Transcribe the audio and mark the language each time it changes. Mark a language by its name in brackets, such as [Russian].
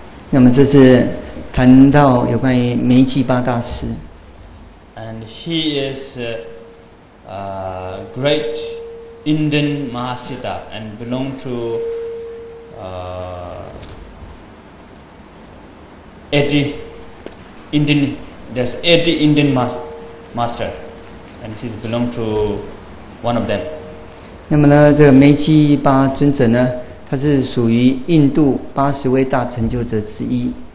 [Chinese] 那么这是谈到有关于梅记巴大师。 [English] And he is a great Indian Mahasiddha and belong to80 Indian master, and he belong to one of them. [Chinese] 那么呢，这个梅基巴尊者呢，他是属于印度八十位大成就者之一。